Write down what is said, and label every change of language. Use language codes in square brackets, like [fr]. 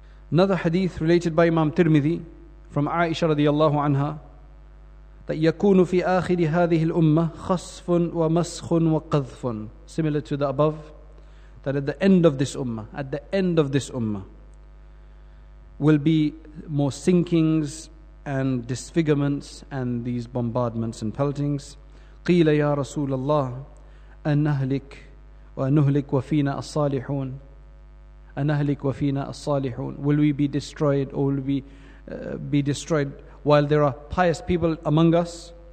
[en] Another hadith related by Imam Tirmidhi from Aisha radiallahu anha, that [ar] يكون في آخر هذه الأمة خصف ومسخ وقذف. [en] Similar to the above, that at the end of this ummah, at the end of this ummah, will be more sinkings and disfigurements and these bombardments and peltings. [ar] قيل يا رسول الله أنهلك ونهلك وفينا الصالحون. أنهلك وفينا الصالحون. [en] Will we be destroyed, or will we be destroyed while there are pious people among us?